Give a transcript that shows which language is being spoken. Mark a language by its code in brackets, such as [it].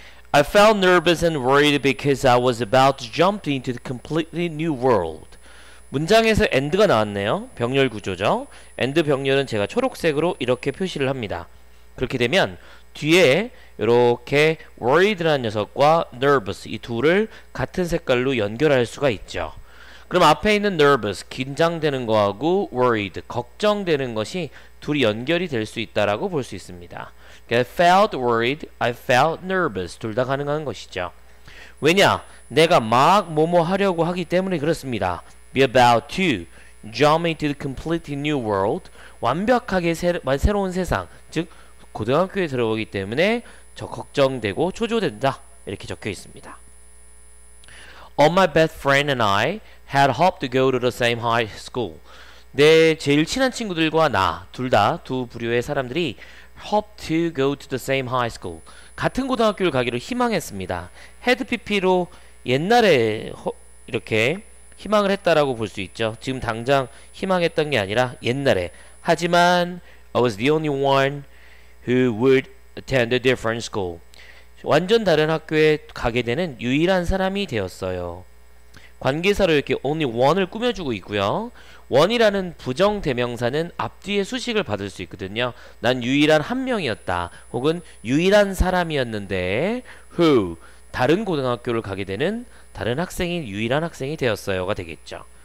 [en] I felt nervous and worried because I was about to jump into the completely new world. [ko] 문장에서 and가 나왔네요. 병렬 구조죠. and 병렬은 제가 초록색으로 이렇게 표시를 합니다. 그렇게 되면 뒤에 이렇게 worried라는 녀석과 nervous 이 둘을 같은 색깔로 연결할 수가 있죠. 그럼 앞에 있는 nervous 긴장되는 거하고 worried 걱정되는 것이 둘이 연결이 될수 있다라고 볼수 있습니다. [en] I felt worried, I felt nervous. [ko] 둘다 가능한 것이죠. 왜냐? 내가 막 뭐뭐 하려고 하기 때문에 그렇습니다. [en] Be about to jump into the completely new world. [ko] 완벽하게 새로운 세상. 즉, 고등학교에 들어오기 때문에 저 걱정되고 초조된다. 이렇게 적혀 있습니다. [en] All my best friend and I had hoped to go to the same high school. [ko] 내 제일 친한 친구들과 나, 둘다두 부류의 사람들이 [en] Hope to go to the same high school. [ko] 같은 고등학교를 가기로 희망했습니다. Had PP로 옛날에 이렇게 희망을 했다라고 볼수 있죠. 지금 당장 희망했던 게 아니라 옛날에. 하지만 [en] I was the only one who would attend a different school. [ko] 완전 다른 학교에 가게 되는 유일한 사람이 되었어요. 관계사로 이렇게 only one을 꾸며주고 있고요. one이라는 부정 대명사는 앞뒤에 수식을 받을 수 있거든요. 난 유일한 한 명이었다. 혹은 유일한 사람이었는데, who, 다른 고등학교를 가게 되는 다른 학생이 유일한 학생이 되었어요가 되겠죠.